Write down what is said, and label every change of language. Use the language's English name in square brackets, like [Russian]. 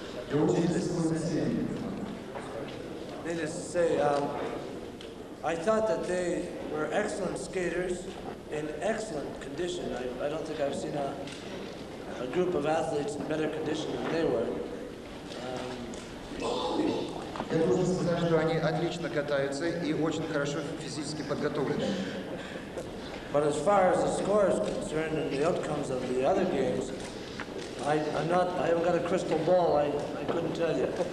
[English] Needless to say, I thought that they were excellent skaters in excellent condition. I don't think I've seen a group of athletes in better condition than they were. [Russian] Я должен сказать, что они отлично катаются и очень хорошо физически подготовлены. [English] But as far as the score is concerned and the outcomes of the other games, I haven't got a crystal ball. I couldn't tell you.